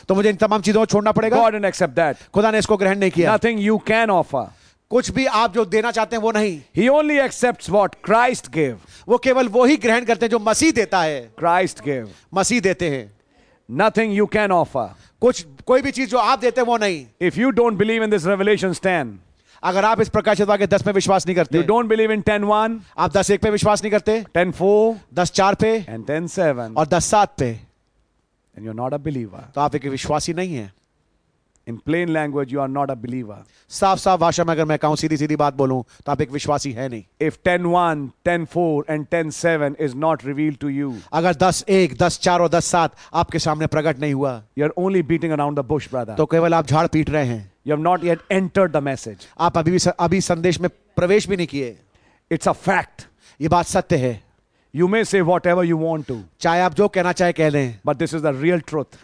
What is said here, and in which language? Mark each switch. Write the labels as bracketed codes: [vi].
[hi] तो मुझे इन तमाम चीजों को छोड़ना पड़ेगा. [en] God didn't accept that. [hi] खुदा ने इसको ग्रहण नहीं किया. [en] Nothing you can offer. [hi] कुछ भी आप जो देना चाहते हैं वो नहीं. [en] He only accepts what Christ gave. [hi] वो केवल वो ही ग्रहण करते हैं जो मसीह देता है. [en] Christ gave. [hi] मसीह देते हैं. [en] Nothing you can offer. [hi] कुछ कोई भी चीज जो आप देते हैं वो नहीं. [en] If you don't believe in this revelation stand. [hi] अगर आप इस प्रकाशित वाक्य 10 में विश्वास नहीं करते. [en] You don't believe in 10:1. [hi] आप 10:1 पे विश्वास नहीं करते. [en] 10:4. [hi] 10:4 पे. [en] And 10:7. [hi] और 10:7 पे. [en] And you're not a believer. [hi] तो आप एक विश्वासी नहीं है. [en] In plain language, you are not a believer. [hi] साफ साफ भाषा में अगर मैं कहूं सीधी सीधी बात बोलूं तो आप एक विश्वासी है नहीं. [en] If 10:1, 10:4 and 10:7 is not revealed to you. [hi] अगर 10:1, 10:4 और 10:7 आपके सामने प्रकट नहीं हुआ. [en] You are only beating around the bush, brother. [hi] तो केवल आप झाड़ पीट रहे हैं. [en] You have not yet entered the message. [hi] आप अभी संदेश में प्रवेश भी नहीं किए. [en] It's a fact. [hi] ये बात सत्य है. [en] You may say whatever you want to. [hi] चाहे आप जो कहना चाहे कह लें. [en] But this is the real truth.